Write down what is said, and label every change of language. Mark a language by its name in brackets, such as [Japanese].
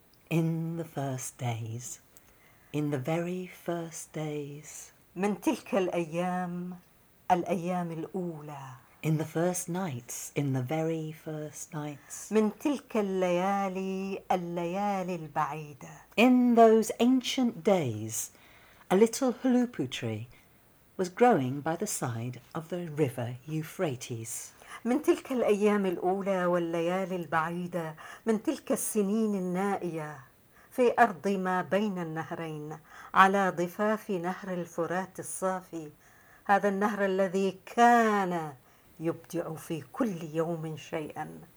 [English] In the first days, in the very first days. [Arabic] من تلك الأيام، الأيام الأولى. [English] In the first nights, in the very first nights. [Arabic] من تلك الليالي، الليالي البعيدة. [English] In those ancient days, a little hulupu tree was growing by the side of the river Euphrates. [Arabic] من تلك الأيام الأولى والليالي البعيدة، من تلك السنين النائية، في أرض ما بين النهرين، على ضفاف نهر الفرات الصافي، هذا النهر الذي كان يبدع في كل يوم شيئا.